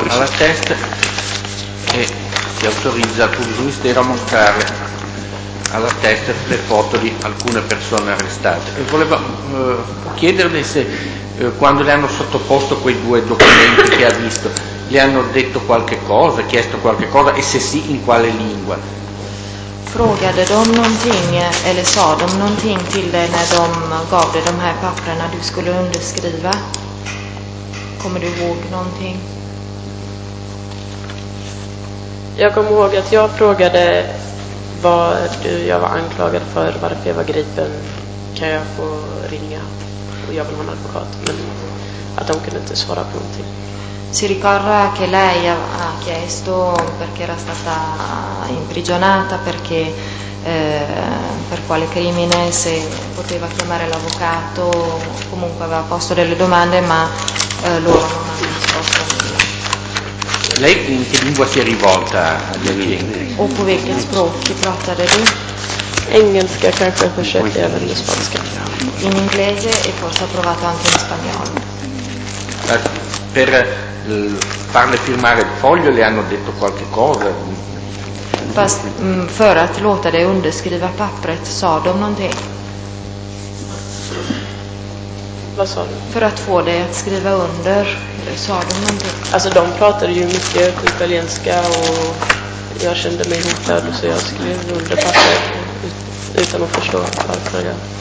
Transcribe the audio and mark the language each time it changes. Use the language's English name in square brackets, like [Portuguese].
[Italian] alla testa e si autorizza il pubblico ministero a mostrare alla testa le foto di alcune persone arrestate. E voleva chiederle se quando le hanno sottoposto quei due documenti che ha visto, le hanno detto qualche cosa, chiesto qualche cosa, e se sì, in quale lingua? [Swedish] Fråga de dom någonting, eller sa de någonting till dig när de gav dig de här papperna du skulle underskriva? Kommer du ihåg någonting? Jag kommer ihåg att jag frågade vad jag var anklagad för, varför jag var gripen. Kan jag få ringa? Och jag vill ha en advokat, men att de kunde inte svara på någonting. [Italian] Si ricorda che lei ha chiesto perché era stata imprigionata, perché per quale crimine, se poteva chiamare l'avvocato, comunque aveva posto delle domande, ma loro non hanno risposto. Lei in che lingua si è rivolta agli clienti? O puoi che sprocchi, pratare di? [Swedish] Engelska kanske försökte jag, eller spanska. [Italian] In inglese e forse ha provato anche in spagnolo. Per farle firmare il foglio le hanno detto qualche cosa? [Swedish] Fast, för att låta dig underskriva pappret, sa de någonting? Vad sa du? För att få dig att skriva under, sa de någonting? Alltså de pratade ju mycket italienska och jag kände mig hotad, så jag skrev under pappret utan att förstå varför jag...